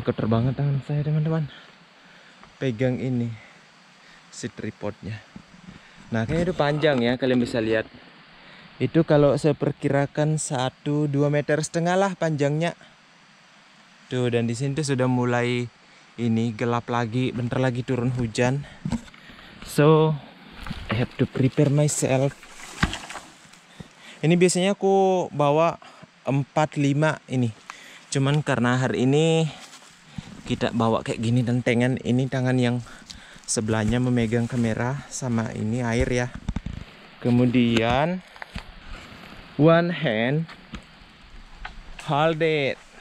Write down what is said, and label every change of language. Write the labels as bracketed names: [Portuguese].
[Indonesian] Kotor banget tangan saya, teman-teman. Pegang ini. Si tripodnya. Nah, kayaknya itu panjang ya, kalian bisa lihat. Itu kalau saya perkirakan 1-2 meter setengah lah panjangnya. Tuh, dan di sini tuh sudah mulai ini gelap lagi, bentar lagi turun hujan. [English] So, I have to prepare myself. [Indonesian] Ini biasanya aku bawa 4-5 ini. Cuman karena hari ini kita bawa kayak gini dan tangan ini, tangan yang sebelahnya memegang kamera sama ini air ya. Kemudian [English] one hand hold it.